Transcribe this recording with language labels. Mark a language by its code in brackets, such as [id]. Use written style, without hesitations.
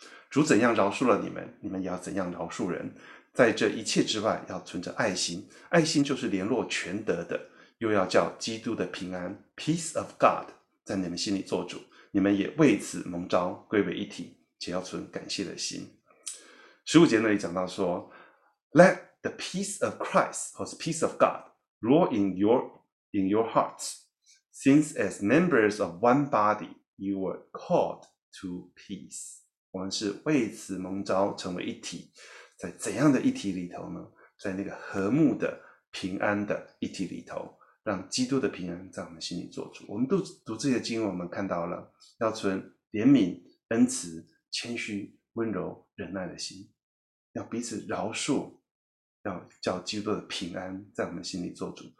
[zh] 主怎样饶恕了你们，你们也要怎样饶恕人。在这一切之外，要存着爱心，爱心就是联络全德的，又要叫基督的平安 [en] Peace of God [zh] 在你们心里做主，你们也为此蒙召归为一体，且要存感谢的心。 15那里讲到说 [en] Let the peace of Christ or the peace of God rule in your hearts, since as members of one body you were called to peace. [zh] 我们是为此蒙召成为一体，在怎样的一体里头呢？在那个和睦的平安的一体里头，让基督的平安在我们心里做主。我们读这些经文，我们看到了要存怜悯、恩慈、谦虚、温柔、忍耐的心，要彼此饶恕，要叫基督的平安在我们心里做主。